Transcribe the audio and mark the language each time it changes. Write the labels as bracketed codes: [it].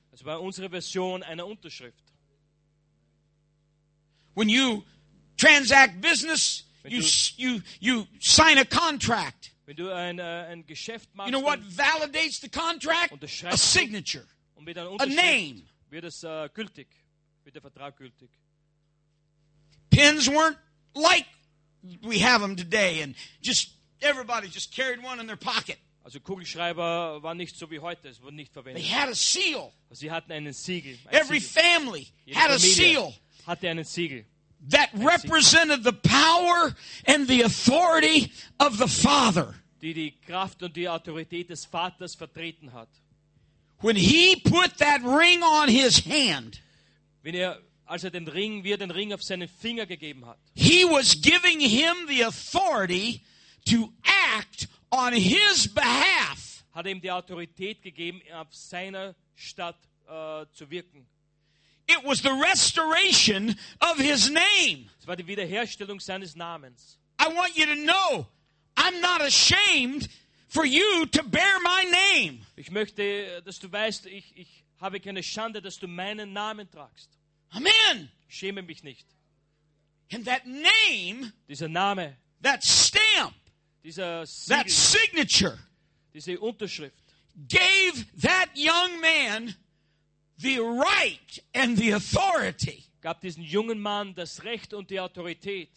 [de] Es war unsere Version einer Unterschrift. [en] When you transact business, you sign a contract. [de] Wenn du ein Geschäft machst, [en] you know what validates the contract? A signature. [de] Und mit einer Unterschrift, [en] a name. [de] Wird es gültig? Wird der Vertrag gültig? [en] Pens weren't like we have them today, and just everybody just carried one in their pocket. [de] Also Kugelschreiber waren nicht so wie heute, es wurden nicht verwendet. [en] They had a seal. [de] Sie hatten einen Siegel. [en] Every family had a seal. [de] Hatte einen Siegel. [en] That represented the power and the authority of the Father. [de] Die Kraft und die Autorität des Vaters vertreten hat. [en] When he put that ring on his hand, [de] wie er den Ring auf seinen Finger gegeben hat, [en] he was giving him the authority to act on his behalf. [de] Hat ihm die Autorität gegeben, auf seiner Statt zu wirken. [en] It was the restoration of his name. [de] Es war die Wiederherstellung seines Namens. [en] I want you to know, I'm not ashamed for you to bear my name. [de] Ich möchte, dass du weißt, ich habe keine Schande, dass du meinen Namen tragst. [en] Amen. [de] Ich schäme mich nicht. [en] And that name, [de] dieser Name, [en] that stamp, [de] dieser Siegel, [en] that signature, [de] diese Unterschrift, [en] gave that young man the right and the authority [de] gab diesen jungen Mann das Recht und die Autorität